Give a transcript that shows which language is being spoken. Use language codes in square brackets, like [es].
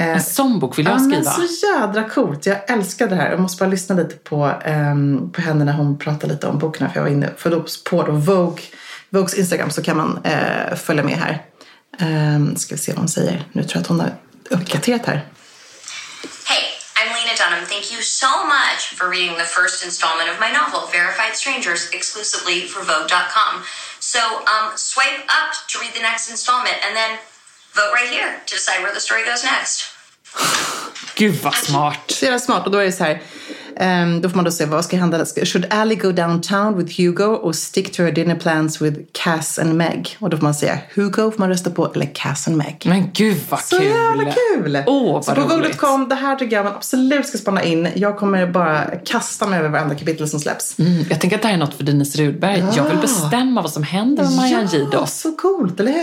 [sv] En sån bok vill jag skriva. Men så jädra coolt, jag älskar det här. Jag måste bara lyssna lite på henne när hon pratar lite om boken. För jag var inne för då, på då Vogue's Instagram, så kan man följa med här. Ska vi se vad hon säger. Nu tror jag att hon har uppdaterat här. [en] Dunham, thank you so much for reading the first installment of my novel, Verified Strangers, exclusively for Vogue.com. So swipe up to read the next installment and then vote right here to decide where the story goes next. [sv] Gud vad smart. Det är smart. Och då är det så här, då får man då se vad ska hända. [en] Should Ally go downtown with Hugo or stick to her dinner plans with Cass and Meg? [sv] Och då får man säga Hugo får man rösta på, eller Cass and Meg. Men gud vad så kul. Så jävla kul. Oh, så på Vogue.com, det här tycker jag man absolut ska spanna in. Jag kommer bara kasta mig över varenda kapitel som släpps. Jag tänker att det här är något för Denise Rudberg. Jag vill bestämma vad som händer med Maja Gido. Så coolt, eller hur?